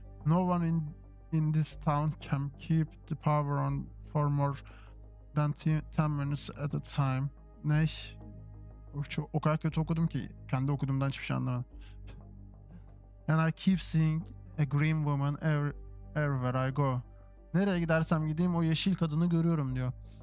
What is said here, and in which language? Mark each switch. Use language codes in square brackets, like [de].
[en] No one in this town can keep the power on for more than 10 minutes at a time. [tr] Ne? O kadar kötü okudum ki kendi okuduğumdan hiçbir şey anlamadım. [en] And I keep seeing a green woman everywhere I go. [tr] Nereye gidersem gideyim o yeşil kadını görüyorum diyor.